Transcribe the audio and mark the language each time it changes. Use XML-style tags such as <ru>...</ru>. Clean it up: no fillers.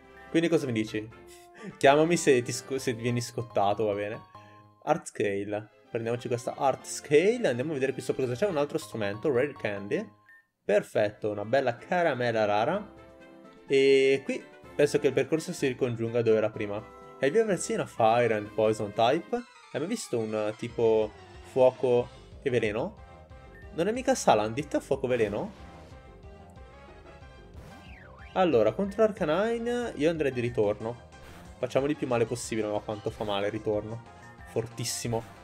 <it>Quindi cosa mi dici? Chiamami se vieni scottato, va bene. Art Scale. Prendiamoci questa Art Scale. Andiamo a vedere qui sopra cosa c'è. Un altro strumento, Rare Candy. Perfetto, una bella caramella rara. E qui penso che il percorso si ricongiunga dove era prima.</it> <en>Have you ever seen a Fire and Poison type?</en> <it>Hai mai visto un tipo fuoco e veleno? Non è mica Salandit a fuoco veleno? Allora, contro Arcanine io andrei di ritorno. Facciamoli più male possibile, ma quanto fa male il ritorno. Fortissimo.</it>